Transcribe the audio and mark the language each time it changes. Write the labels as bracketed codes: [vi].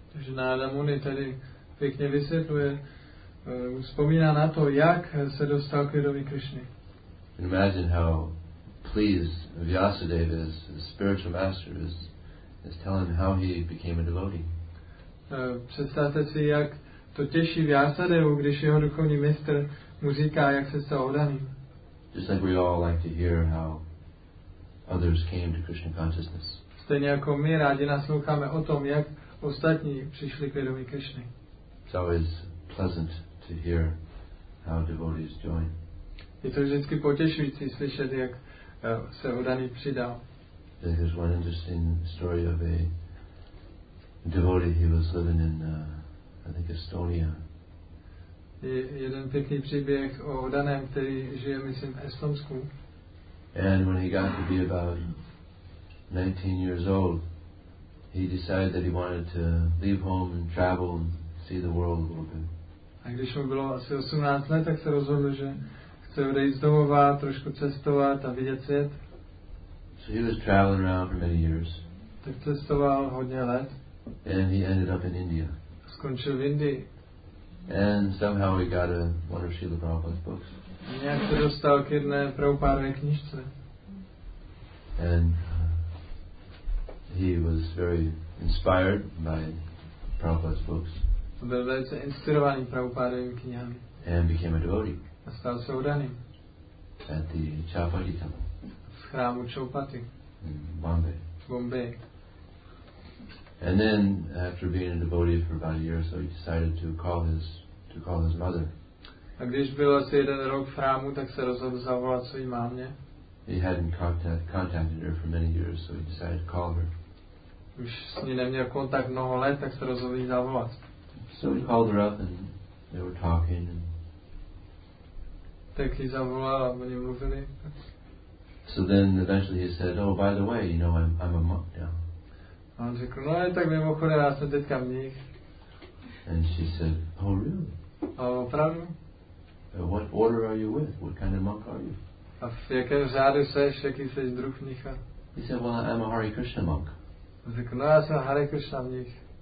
[cs] Takže Narada Muni tady pěkně vysvětluje, vzpomíná na to, jak se dostal k vědomí Krishny. [en] Imagine how pleased Vyasadeva is, his spiritual master is telling how he became a devotee. [cs] Představte si, jak to těší Vyasadevu, když jeho duchovní mistr mu říká, jak se stal oddaným. [en] Just like we all like to hear how others came to Krishna consciousness. [cs] Stejně jako my rádi nasloucháme o tom, jak ostatní přišli k vědomí Krishny. [en] It's always pleasant to hear how devotees join. [cs] Je to vždycky potěšující slyšet, jak se oddaný přidal. [en] There's one interesting story of a devotee. He was living in I think Estonia. [cs] Jeden pěkný příběh o Danem, který žije, myslím, v Estonsku. [en] And when he got to be about 19 years old, he decided that he wanted to leave home and travel and see the world a little bit. [cs] A když mu bylo asi 18 let, tak se rozhodl, že chce odejít z domova, trošku cestovat a vidět svět. [en] So he was traveling around for many years. [cs] Tak cestoval hodně let. [en] And he ended up in India. [cs] Skončil v Indii. [en] And somehow he got one of Srila Prabhupada's books. [cs] Nějak se dostal k jedné Prabhupádové knižce. [en] And he was very inspired by Prabhupada's books. [cs] Byl velice inspirovaný Prabhupádovými knihami. [en] And became a devotee. [cs] A stal se oddaným. [en] At the Chaupati Temple. [cs] V chrámu Chaupati. [en] In Bombay. [cs] Bombay. [en] And then, after being a devotee for about a year or so, he decided to call his mother. [cs] A když byl asi jeden rok v chrámu, tak se rozhodl zavolat svojí mámě. [en] He hadn't contacted her for many years, so he decided to call her. [cs] Už s ní neměl kontakt mnoho let, tak se rozhodl jí zavolat. [en] So he called her up and they were talking. And [cs] tak jí zavolal a oni mluvili. [en] So then eventually he said, oh, by the way, you know, I'm a monk now. [cs] A on řekl, no, tak mimochodem, já jsem teďka mnich. [en] And she said, oh, really? [cs] A opravdu? [en] What order are you with? What kind of monk are you? [cs] A v jakém řádu seš, jaký seš druh mnicha? [en] He said, well, I'm a Hare Krishna monk. [cs] A řekl, no, já jsem Hare Krishna mnich.